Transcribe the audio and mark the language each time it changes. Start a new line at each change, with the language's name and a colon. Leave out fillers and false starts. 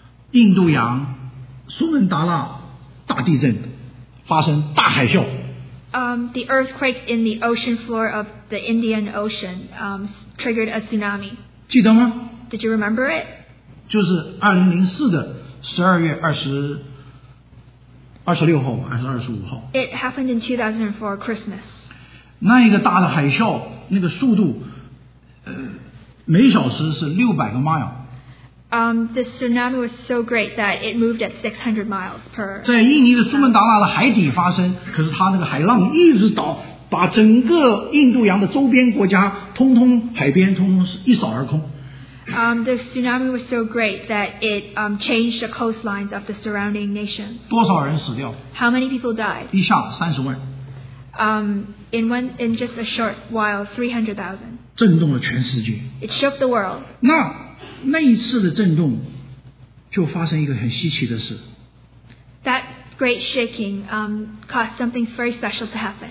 Chinese: 印度洋苏门答腊大地震发生大海啸。
English: the earthquake in the ocean floor of the Indian Ocean triggered a tsunami.
Chinese: 记得吗?
English: Did you remember it?
Chinese: 就是2004的12月26号还是25号。
English: It happened in 2004, Christmas.
Chinese: 那一个大的海啸那个速度每小时是600个 mile。
English: The tsunami was so great that it moved at 600 miles per.
Chinese: 在印尼的苏门答腊的海底发生，可是它那个海浪一直倒，把整个印度洋的周边国家通通海边通通一扫而空。
English: The tsunami was so great that it changed the coastlines of the surrounding nations.
Chinese: 多少人死掉？
English: How many people died?
Chinese: 一下30万。
English: In just a short while, 300,000.
Chinese: 震动了全世界。
English: It shook the world.
Chinese: 那一次的震动就发生一个很稀奇的事。
English: That great shaking caused something very special to happen.